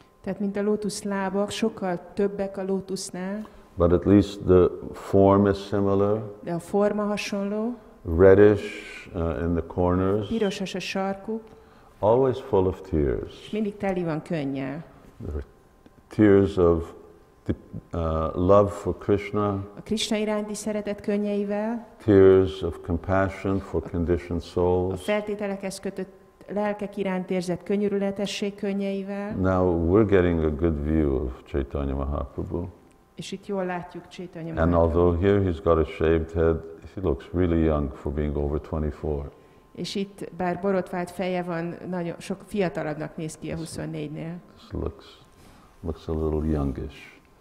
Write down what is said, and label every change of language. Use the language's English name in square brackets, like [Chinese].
[Hungarian] Tehát mint a lótusz lábak, sokkal többek a lótusznál. [English] But at least the form is similar. [Hungarian] De a forma hasonló. [English] Reddish in the corners. [Hungarian] Pirosas a sarkuk. [English] Always full of tears. [Hungarian] Mindig teli van könnyel. [English] Tears of love for Krishna. [Hungarian] A Krishna iránti szeretet könnyeivel. [English] Tears of compassion for conditioned souls. [Hungarian] A feltételekhez kötött lelkek iránt érzett könyörületesség könnyeivel. [English] Now we're getting a good view of Chaitanya Mahaprabhu. [Hungarian] És itt jól látjuk Chaitanya Mahaprabhu. [English] And although here he's got a shaved head, he looks really young for being over 24. [Hungarian] És itt bár borotvált feje van, nagyon sok fiatalabbnak néz ki a 24-nél. [English] This looks a little youngish.